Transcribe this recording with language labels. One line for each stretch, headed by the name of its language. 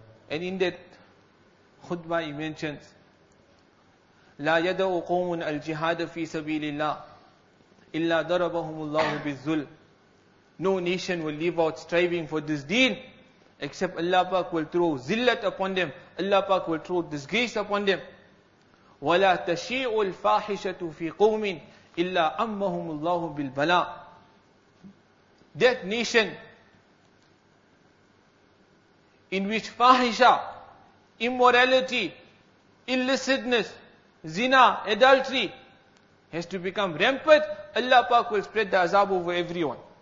English: And in that khutbah he mentions,
Arabic: لا يدع قوم الجهاد في سبيل الله إلا ضربهم الله بالذل.
English: No nation will leave out striving for this deen except Allah Pak will throw zillat upon them. Allah Pak will throw disgrace upon them.
Arabic: ولا تشيع الفاحشة في قوم إلا أمهم الله بالبلاء.
English: That nation in which fahisha, immorality, illicitness, zina, adultery, has to become rampant, Allah Pak will spread the azab over everyone.